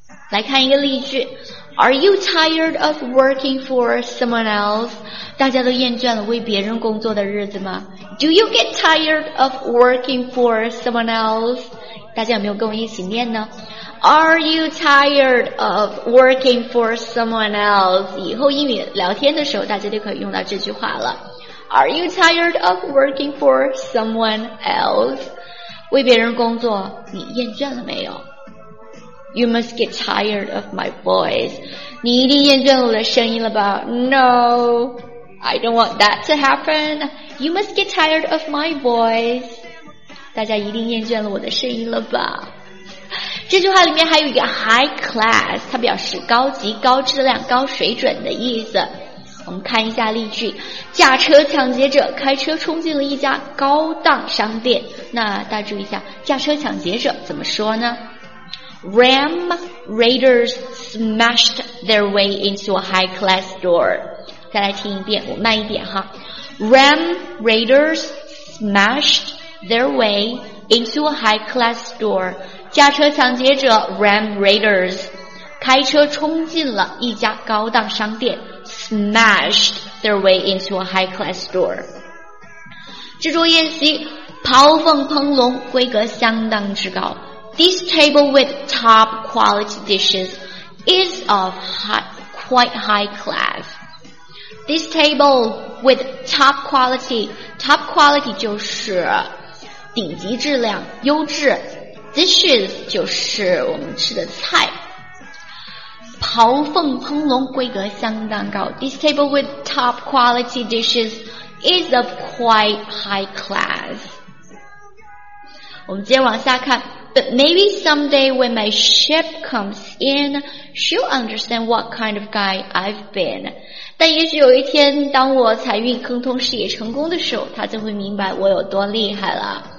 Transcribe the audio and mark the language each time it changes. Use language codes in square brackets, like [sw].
[zh] 来看一个例句 [en] Are you tired of working for someone else? [zh] 大家都厌倦了为别人工作的日子吗？ [en] Do you get tired of working for someone else? [zh] 大家有没有跟我一起念呢？ [en] Are you tired of working for someone else? [zh] 以后英语聊天的时候大家就可以用到这句话了。 [en] Are you tired of working for someone else? [zh] 为别人工作你厌倦了没有？ [en] You must get tired of my voice. [zh] 你一定厌倦了我的声音了吧？ [en] No, I don't want that to happen. You must get tired of my voice. [zh] 大家一定厌倦了我的声音了吧？这句话里面还有一个 high class, 它表示高级、高质量、高水准的意思。我们看一下例句，假车抢劫者开车冲进了一家高档商店。那大家注意一下，假车抢劫者怎么说呢？ [en] Ram Raiders smashed their way into a high-class store. [zh] 再来听一遍，我慢一点哈。 [en] Ram Raiders smashed their way into a high-class store. [zh] 驾车抢劫者 Ram Raiders 开车冲进了一家高档商店 [en] smashed their way into a high-class store. [zh] 这桌宴席刨凤烹龙，规格相当之高。 [en] This table with top quality dishes is of quite high class. This table with top quality, top quality [zh] 就是顶级质量、优质。 Dishes 就是我们吃的菜。刨凤烹龙，规格相当高。 [en] This table with top quality dishes is of quite high class. [zh] 我们接着往下看。 [en] But maybe someday when my ship comes in, she'll understand what kind of guy I've been. [zh] 但也许有一天当我财运亨通事业成功的时候她就会明白我有多厉害了。